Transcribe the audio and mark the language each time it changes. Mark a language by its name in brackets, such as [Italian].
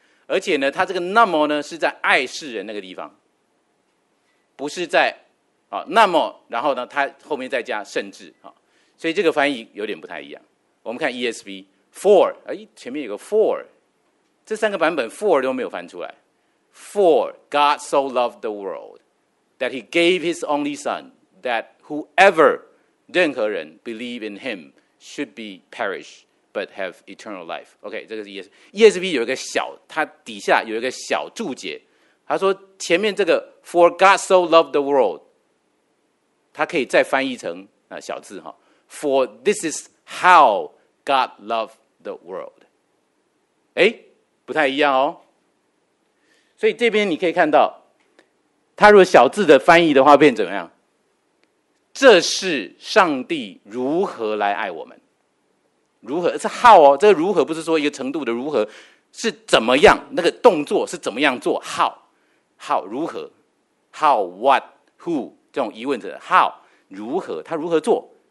[Chinese] 而且呢，他这个那么呢是在爱世人那个地方，不是在那么，然后呢他后面再加甚至，所以这个翻译有点不太一样。我们看 ESV for， 前面有个 for， 这三个版本 for 都没有翻出来。 [English] For God so loved the world that he gave his only son that whoever [Chinese] 任何人 [English] believe in him should be perished but have eternal life。 [Chinese] OK， 这个是 ESV 有一个小，它底下有一个小注解，他说前面这个 [English] For God so loved the world， [Chinese] 它可以再翻译成小字 [English] For this is how God loved the world。 [Chinese] 不太一样哦。所以这边你可以看到，它如果小字的翻译的话变怎么样，这是上帝如何来爱我们，如何是 how 哦，这个如何不是说一个程度的如何，是怎么样，那个动作是怎么样做， how 如何， how what who 这种疑问者， how 如何，他如何做。